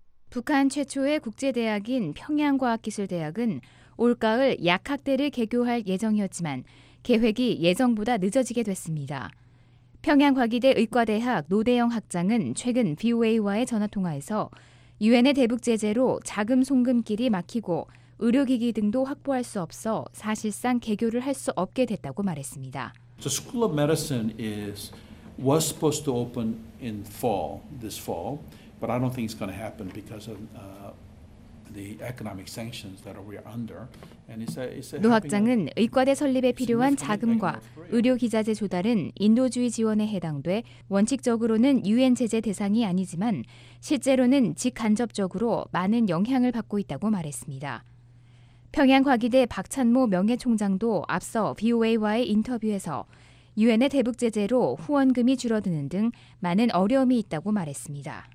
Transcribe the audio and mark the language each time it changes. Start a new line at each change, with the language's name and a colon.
Korean: 북한 최초의 국제대학인 평양과학기술대학은 올가을 약학대를 개교할 예정이었지만 계획이 예정보다 늦어지게 됐습니다. 평양과기대 의과대학 노대영 학장은 최근 VOA와의 전화통화에서 유엔의 대북 제재로 자금 송금길이 막히고 의료기기 등도 확보할 수 없어 사실상 개교를 할 수 없게 됐다고 말했습니다.
English: The School of Medicine was supposed to open in fall, this fall, but I don't think it's going to happen because of the economic sanctions that we are under.
Korean: 노 학장은 의과대 설립에 필요한 자금과 의료 기자재 조달은 인도주의 지원에 해당돼 원칙적으로는 유엔 제재 대상이 아니지만 실제로는 직간접적으로 많은 영향을 받고 있다고 말했습니다. 평양과기대 박찬모 명예총장도 앞서 VOA와의 인터뷰에서 유엔의 대북 제재로 후원금이 줄어드는 등 많은 어려움이 있다고 말했습니다.